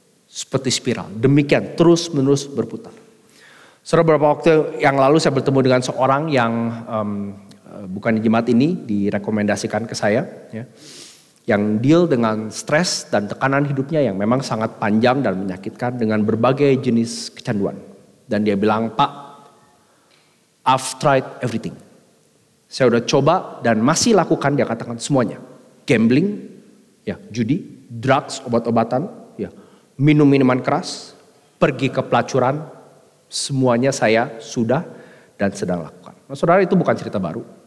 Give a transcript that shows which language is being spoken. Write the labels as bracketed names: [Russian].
[Indonesian] Seperti spiral, demikian terus menerus berputar. Setelah beberapa waktu yang lalu saya bertemu dengan seorang yang bukan di jemaat ini, direkomendasikan ke saya. Ya, yang deal dengan stres dan tekanan hidupnya yang memang sangat panjang dan menyakitkan dengan berbagai jenis kecanduan. Dan dia bilang, Pak, [English] I've tried everything. [Indonesian] Saya udah coba dan masih lakukan, dia katakan semuanya. Gambling, ya, judi, drugs, obat-obatan, ya, minum minuman keras, pergi ke pelacuran, semuanya saya sudah dan sedang lakukan. Nah, saudara, itu bukan cerita baru.